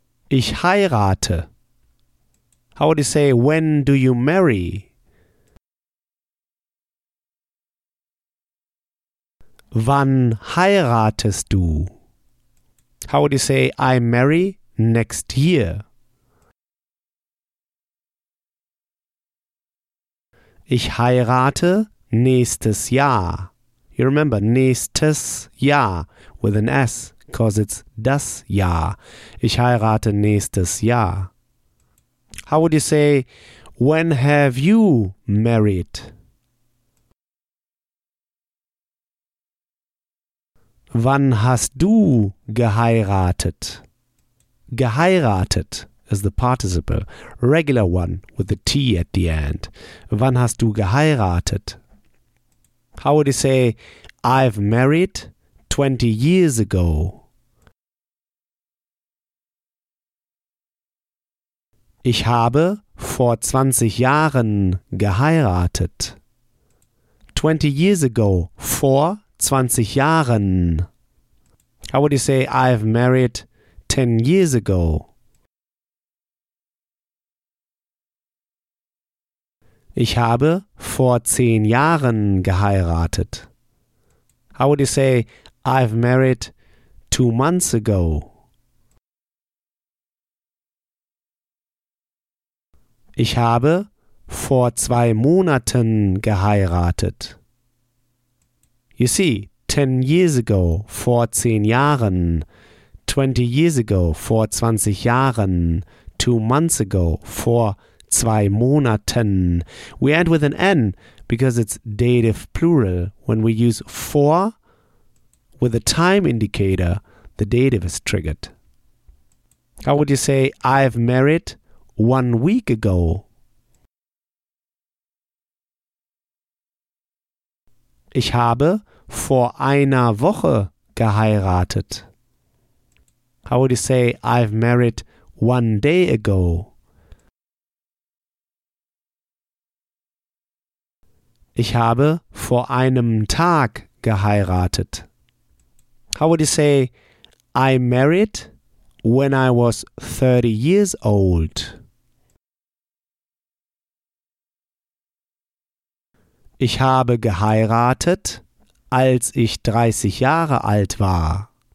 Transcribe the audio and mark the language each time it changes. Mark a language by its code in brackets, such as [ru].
[de] Ich heirate. [en] How would you say when do you marry? [de] Wann heiratest du? [en] How would you say I marry next year? [de] Ich heirate nächstes Jahr. [en] You remember, nächstes Jahr with an S, because it's das Jahr. [de] Ich heirate nächstes Jahr. [en] How would you say, when have you married? [de] Wann hast du geheiratet? [en] Geheiratet is the participle, regular one with the T at the end. [de] Wann hast du geheiratet? [en] How would you say, I've married 20 years ago? [de] Ich habe vor 20 Jahren geheiratet. [en] 20 years ago, [de] vor 20 Jahren. [en] How would you say, I've married 10 years ago? [de] Ich habe vor 10 Jahren geheiratet. [en] How would you say, I've married 2 months ago? [de] Ich habe vor 2 Monaten geheiratet. [en] You see, 10 years ago, [de] vor 10 Jahren. [en] 20 years ago, [de] vor 20 Jahren. [en] 2 months ago, [de] vor 2 Monaten. [en] We end with an N because it's dative plural. When we use vor with a time indicator, the dative is triggered. How would you say, I've married 1 week ago? [de] Ich habe vor einer Woche geheiratet. [en] How would you say, I've married 1 day ago? [de] Ich habe vor einem Tag geheiratet. [en] How would you say, I married when I was 30 years old? [de] Ich habe geheiratet, als ich 30 Jahre alt war.